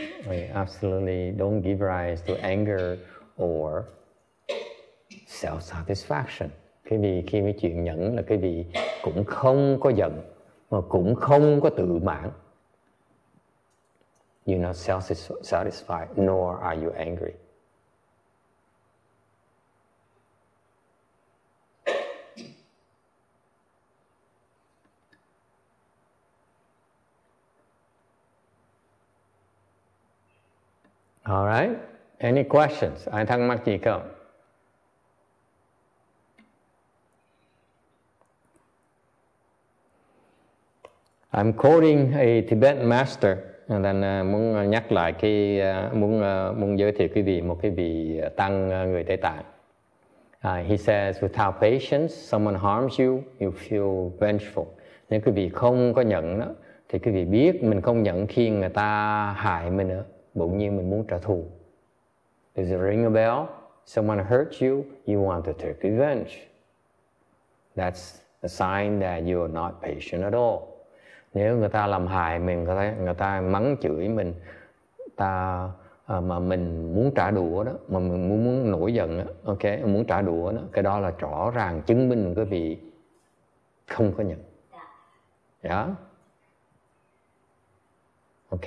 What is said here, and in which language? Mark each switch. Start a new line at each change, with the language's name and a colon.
English: You absolutely don't give rise to anger or self-satisfaction.
Vietnamese: Cái vì khi cái chuyện nhẫn là cái vì cũng không có giận mà cũng không có tự mãn.
English: You're not self-satisfied, nor are you angry. All right. Any questions?
Vietnamese: Ai thắc mắc gì không?
English: I'm quoting a Tibetan master.
Vietnamese: And then muốn nhắc lại cái muốn giới thiệu quý vị một cái vị tăng người Tây Tạng.
English: He says, without patience, someone harms you, you feel vengeful.
Vietnamese: Nếu quý vị không có nhẫn đó, thì quý vị biết mình không nhẫn khi người ta hại mình nữa, bỗng nhiên mình muốn trả thù.
English: There's a ring a bell, someone hurts you, you want to take revenge. That's a sign that you are not patient at all.
Vietnamese: Nếu người ta làm hại mình, người ta mắng chửi mình, ta mà mình muốn trả đũa đó, mà mình muốn nổi giận đó, ok, muốn trả đũa đó, cái đó là rõ ràng chứng minh cái vị không có nhận. Dạ. Yeah. Yeah. Ok.